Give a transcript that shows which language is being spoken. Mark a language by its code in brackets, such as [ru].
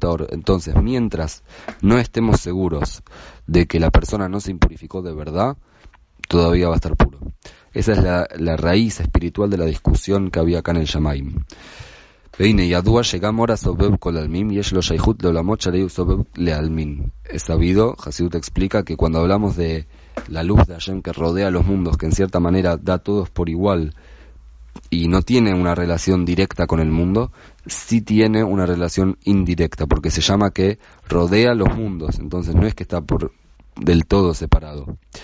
[es] Entonces, mientras no estemos seguros de que la persona no se impurificó de verdad, todavía va a estar puro. Esa es la raíz espiritual de la discusión que había acá en el Shamaim. [he] והנה ידוע שגם אור הסובב כל עלמין יש לו שייכות לעולמות שהרי הוא סובב לעלמין. [es] Sabido, Hasidut explica que cuando hablamos de la luz de Hashem que rodea los mundos, que en cierta manera da a todos por igual y no tiene una relación directa con el mundo, sí tiene una relación indirecta, porque se llama que rodea los mundos, entonces no es que está por del todo separado.